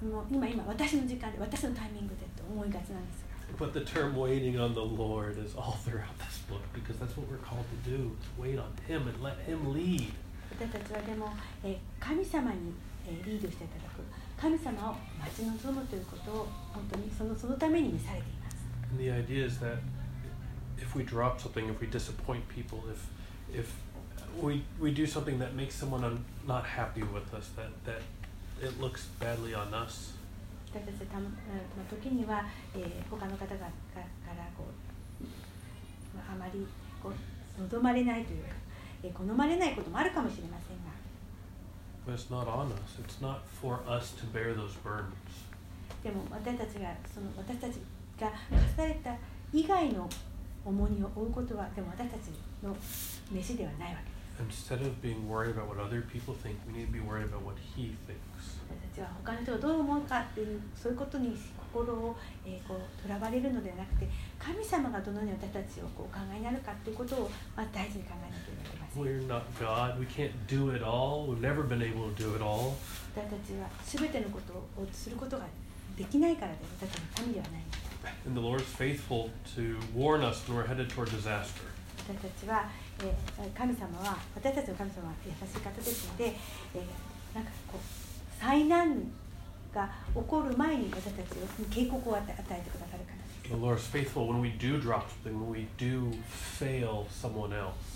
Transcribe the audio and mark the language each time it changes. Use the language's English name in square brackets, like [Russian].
[Japanese] 今、私の時間で、私のタイミングでと思いがちなんですが。 [English] But the term waiting on the Lord is all throughout this book, because that's what we're called to do, to wait on Him and let Him lead. [Japanese] 私たちはでも神様にリードしていただく神様を待ち望むということを本当にそのために召されています。 [English] The idea is that if we drop something, if we disappoint people, if we do something that makes someone not happy with us, that it looks badly on us. [Japanese] 私たちはの時には他の方からこうあまりこう望まれないというか好まれないこともあるかもしれませんが。 [English] But it's not on us. It's not for us to bear those burdens. [Japanese] でも私たちが課された以外の重荷を負うことはでも私たちの召しではないわけです。 [English] Instead of being worried about what other people think, we need to be worried about what He thinks. [Japanese] 私たちは他の人がどう思うかっていうそういうことに心をこう囚われるのではなくて、神様がどのように私たちをこう考えになるかということをまあ大事に考えなければ。 [English] We're not God. We can't do it all. We've never been able to do it all. [Japanese] 私たちは全てのことをすることができないからです。私たちは神ではない。 [English] And the Lord is faithful to warn us when we're headed toward disaster. [Japanese] 私たちは神様は私たちの神様は優しい方ですので、なんかこう災難が起こる前に私たちに警告を与えてくださる方です。 [English] The Lord is faithful when we do drop something, when we do fail someone else.